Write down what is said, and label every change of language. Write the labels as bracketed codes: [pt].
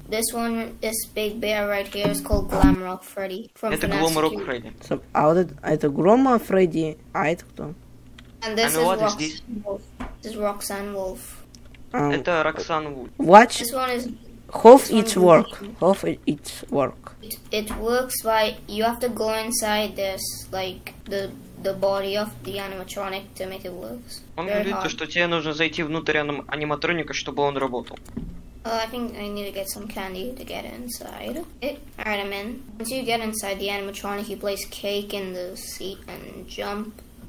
[en] This one, this big bear right here, is called Glamrock Freddy from Fnatic. [ru] Это Glamrock Freddy. So, а вот это Грома Фредди, а это кто? [en] And this is Roxanne Wolf. This is Roxanne Wolf. [ru] Это Roxanne Wolf. [en] Watch. This one is. Hope it works. Hope it works. It works by you have to go inside this like the body of the animatronic to make it work. [ru] Он говорит то, что тебе нужно зайти внутрь аниматроника, чтобы он работал. [en] I think I need to get some candy to get inside. Alright, I'm in. Once you get inside the animatronic, you place cake in the seat and jump.